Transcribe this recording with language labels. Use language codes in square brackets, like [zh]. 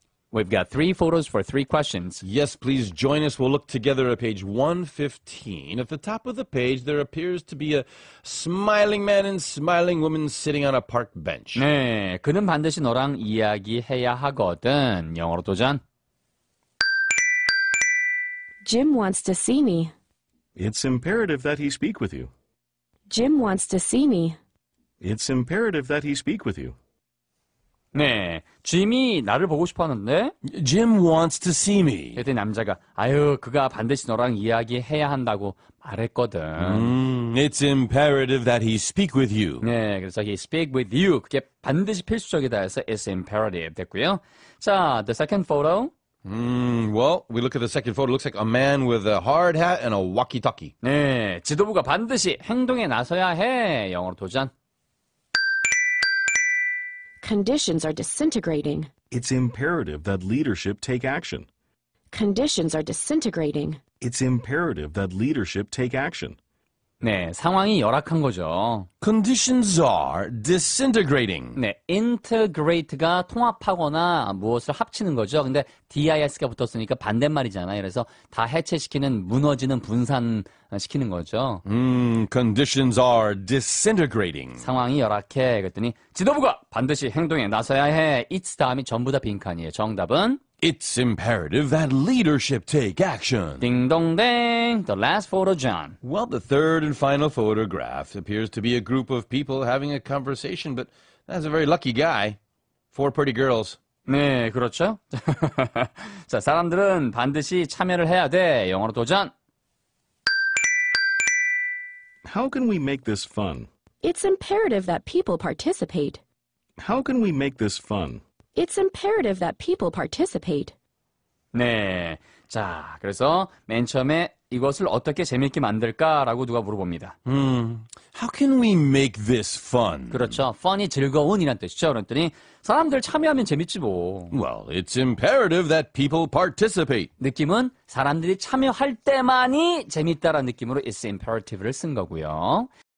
[en] We've got three photos for three questions. Yes, please join us. We'll look together at page 115. At the top of the page, there appears to be a smiling man and smiling woman sitting on a park bench. [ko] 네, 그는 반드시 너랑 이야기해야 하거든. 영어로 도전. [en] Jim wants to see me. It's imperative that he speak with you. Jim wants to see me. It's imperative that he speak with you. [ko] 네, 짐이 나를 보고 싶어 하는데 [en] Jim wants to see me. [ko] 그때 남자가 아유 그가 반드시 너랑 이야기해야 한다고 말했거든. [en] It's imperative that he speak with you. [ko] 네, 그래서 [en] he speak with you. [ko] 그게 반드시 필수적이다 해서 [en] it's imperative [ko] 됐고요. 자, [en] the second photo. Well, we look at the second photo. It looks like a man with a hard hat and a walkie-talkie. [ko] 네, 지도부가 반드시 행동에 나서야 해. 영어로 도전. [en] Conditions are disintegrating. It's imperative that leadership take action. Conditions are disintegrating. It's imperative that leadership take action. [ko] 네, 상황이 열악한 거죠. [en] Conditions are disintegrating. [ko] 네, integrate가 통합하거나 무엇을 합치는 거죠. 근데 dis가 붙었으니까 반대말이잖아. 그래서 다 해체시키는, 무너지는, 분산시키는 거죠. [en] Conditions are disintegrating. [ko] 상황이 열악해. 그랬더니 지도부가 반드시 행동에 나서야 해. It's 다음이 전부 다 빈칸이에요. 정답은? [en] It's imperative that leadership take action. Ding dong ding. The last photo, John. Well, the third and final photograph appears to be a group of people having a conversation, but that's a very lucky guy. Four pretty girls. [ko] 네, 그렇죠? 자, 사람들은 반드시 참여를 해야 돼. 영어로 도전. [en] How can we make this fun? It's imperative that people participate. How can we make this fun? It's imperative that people participate. [ko] 네, 자, 그래서 맨 처음에 이것을 어떻게 재미있게 만들까라고 누가 물어봅니다. [en] How can we make this fun? [ko] 그렇죠, fun이 즐거운이란 뜻이죠. 그랬더니 사람들 참여하면 재밌지 뭐. [en] Well, it's imperative that people participate. [ko] 느낌은 사람들이 참여할 때만이 재밌다라는 느낌으로 [en] it's imperative [ko] 를 쓴 거고요.